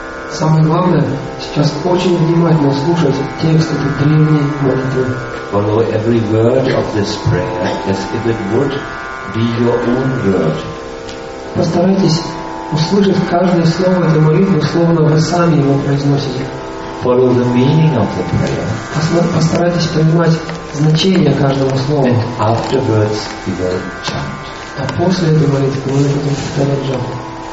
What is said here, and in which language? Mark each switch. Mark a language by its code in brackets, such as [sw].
[ru] Самое главное сейчас очень внимательно слушать текст этой древней молитвы. [en] Follow every word of this prayer as if it would be your own word. [ru] Постарайтесь услышать каждое слово этой молитвы, словно вы сами его произносите. [en] Follow the meaning of the prayer. [ru] Постарайтесь понимать значение каждого слова. [en] And afterwards we will chant. [ru] А после этой молитвы мы будем повторять джапу.